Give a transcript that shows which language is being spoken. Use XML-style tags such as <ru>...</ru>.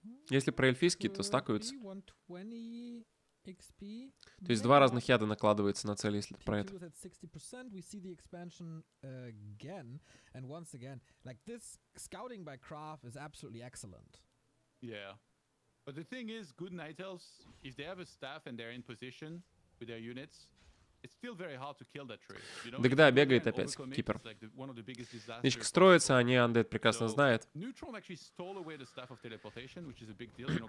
<ru>Если про эльфийский, то стакаются. То есть два разных яда накладывается на цель, если про это.</ru> <en>We see the expansion again and once again. Like, this scouting by Kraf is absolutely excellent. Yeah. But the thing is, good Night Elves, if they have a staff and they're in position... with their units. It's still very hard to kill that trait. You</en> <ru>know, Дегда бегает опять, кипер. Нычка строится, они андед прекрасно знает.</ru> <en>Neutron actually stole away the staff of teleportation, which is a big deal.</en>